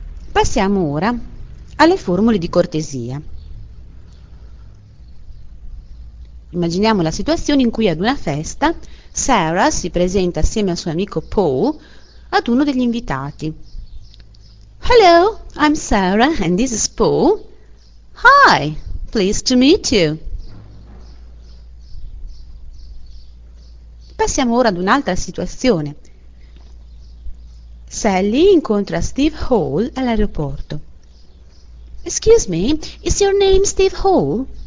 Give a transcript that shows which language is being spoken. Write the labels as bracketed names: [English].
[Italian] Passiamo ora alle formule di cortesia. Immaginiamo la situazione in cui ad una festa Sarah si presenta assieme al suo amico Paul ad uno degli invitati. [English] Hello, I'm Sarah and this is Paul. Hi, pleased to meet you. [Italian] Passiamo ora ad un'altra situazione. Sally incontra Steve Hall all'aeroporto. [English] Excuse me, is your name Steve Hall?